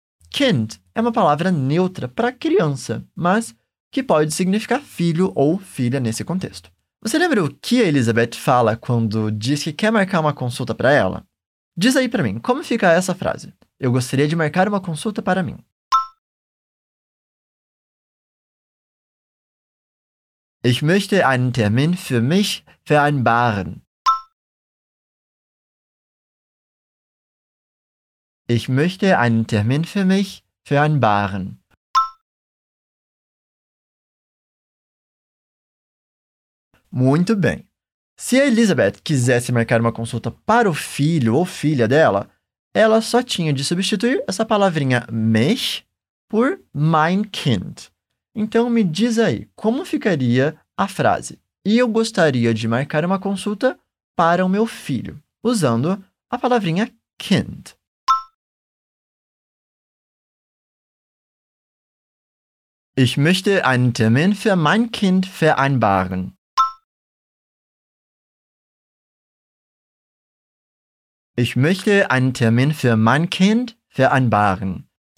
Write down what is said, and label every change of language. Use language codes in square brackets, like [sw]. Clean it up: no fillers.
[pt] Kind é uma palavra neutra para criança, mas que pode significar filho ou filha nesse contexto. Você lembra o que a Elizabeth fala quando diz que quer marcar uma consulta para ela? Diz aí para mim, como fica essa frase? Eu gostaria de marcar uma consulta para mim. [de] Ich möchte einen Termin für mich vereinbaren. Ich möchte einen Termin für mich vereinbaren. [pt] Muito bem. Se a Elizabeth quisesse marcar uma consulta para o filho ou filha dela, ela só tinha de substituir essa palavrinha mich por [de] mein Kind. [pt] Então, me diz aí, como ficaria a frase? E eu gostaria de marcar uma consulta para o meu filho, usando a palavrinha Kind. [de] Ich möchte einen Termin für mein Kind vereinbaren. Ich möchte einen Termin für mein Kind vereinbaren.